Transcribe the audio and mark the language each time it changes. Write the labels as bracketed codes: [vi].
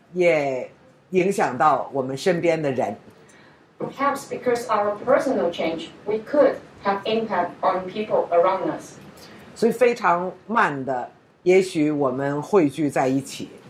[zh] 也许我们因为自己的改变也影响到我们身边的人。 [en] Perhaps because our personal change, we could have impact on people around us. [zh] 所以非常慢的，也许我们汇聚在一起。